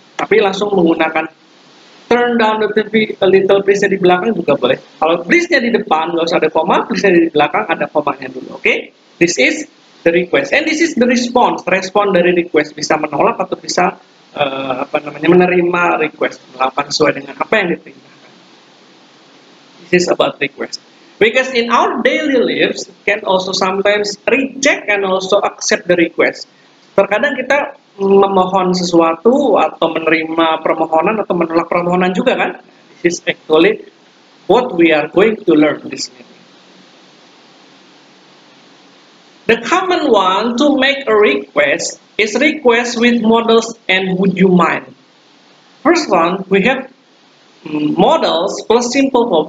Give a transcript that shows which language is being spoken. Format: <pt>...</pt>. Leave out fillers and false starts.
<id>Tapi langsung menggunakan</id> <en>turn down the TV a little please-</en> <id>nya di belakang juga boleh. Kalau please-nya di depan, nggak usah ada koma, please-nya di belakang ada komanya dulu. Oke, okay?</id> <en>This is the request. And this is the response.</en> <id>Respon dari request bisa menolak atau bisa menerima request, melakukan sesuai dengan apa yang diperintahkan.</id> <en>This is about request. Because in our daily lives, can also sometimes reject and also accept the request.</en> <id>Terkadang kita memohon sesuatu atau menerima permohonan atau menolak permohonan juga kan?</id> <en>This is actually what we are going to learn this year. The common one to make a request is request with models and would you mind. First one, we have models plus simple form.</en>